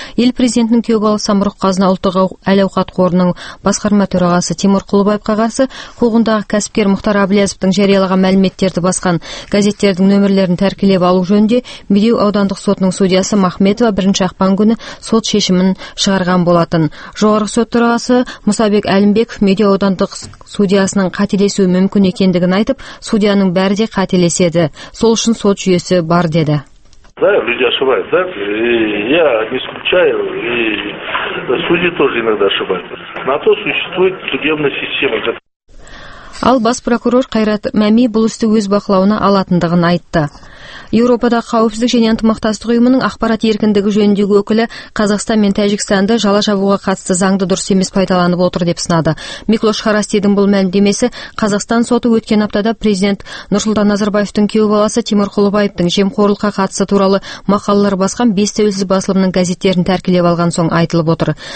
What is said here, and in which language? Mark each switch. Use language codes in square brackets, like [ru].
[kk] Ел президентінің күйеубалы Самұрық Қазына ұлттық әл-ауқат қорының басқарма төрағасы Тимур Құлыбаевқа қарсы қуғындағы кәсіпкер Мұхтар Әблязовтың жариялаған мәліметтерді басқан газеттердің нөмірлерін тәркілеп алу жөнінде Медеу аудандық сотының судьясы Махметова 1 ақпан күні сот шешімін шығарған болды. Жоғарғы сот төрағасы Мұсабек Әлімбеков медиа аудандық судьясының қателесуі мүмкін екендігін айтып, судьяның бәрі де қателеседі. Сол үшін сот жүйесі бар деді. [ru] Да, люди ошибаются, да? Я не исключаю, и судьи тоже иногда ошибаются. На то существует судебная система. [kk] Ал бас прокурор Қайрат Мәми бұл істі өз бақылауына алатындығын айтты. Еуропада қауіпсіздік және ынтымақтастық ұйымының ақпарат еркіндігі жөніндегі өкілі Қазақстан мен Тәжікстанды жала жабуға қатысты заңды дұрыс емес пайдаланып отыр деп сынады. Миклош Харастидің бұл мәлімдемесі Қазақстан соты өткен аптада президент Нұрсұлтан Назарбаевтың күйеу баласы Тимур Құлыбаевтың жемқорлыққа қатысты туралы мақалалар басқан бес тәуелсіз басылымның газеттерін тәркілеп алған соң айтылып отыр.